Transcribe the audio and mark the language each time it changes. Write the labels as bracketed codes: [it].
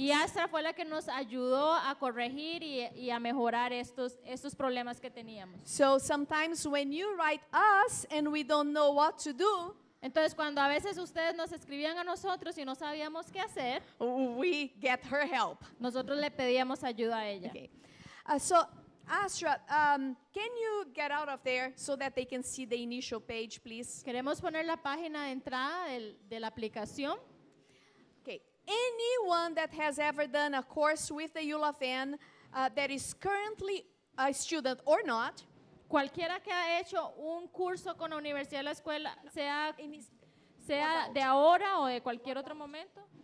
[es] Y Astra fue la que nos ayudó a corregir y a mejorar estos problemas que teníamos. [en] So sometimes when you write us and we don't know what to do, [es] entonces cuando a veces ustedes nos escribían a nosotros y no sabíamos qué hacer, [en] we get her help. [es] Nosotros le pedíamos ayuda a ella. [en] Okay. So Astra, can you get out of there so that they can see the initial page, please? [es] Queremos poner la página de entrada de la aplicación. [en] Anyone that has ever done a course with the UofN that is currently a student or not. [es] Cualquiera que ha hecho un curso con la Universidad de la Escuela, sea de ahora o de cualquier otro momento.